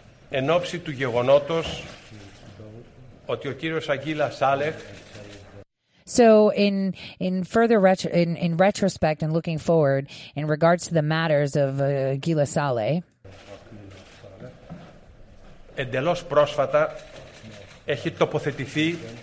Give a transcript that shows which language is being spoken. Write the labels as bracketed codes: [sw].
[el] Εν όψη του γεγονότος ότι ο κύριος Αγγίλας Άλεφ. [en] So in retrospect and looking forward in regards to the matters of Gila Saleh. [el] Εντελώς πρόσφατα έχει τοποθετηθεί.